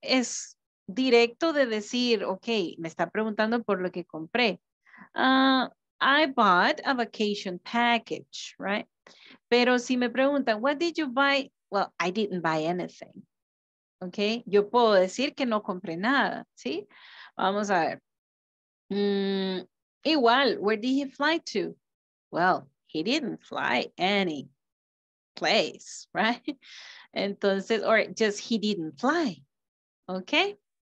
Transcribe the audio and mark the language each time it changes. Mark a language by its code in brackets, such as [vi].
[es] Is directo de decir, okay, me está preguntando por lo que compré. [en] I bought a vacation package, right? [es] Pero si me preguntan, what did you buy? [en] Well, I didn't buy anything, okay? [es] Yo puedo decir que no compré nada, ¿sí? Vamos a ver. [en] Igual, where did he fly to? Well, he didn't fly any place, right? Entonces, or just he didn't fly, okay?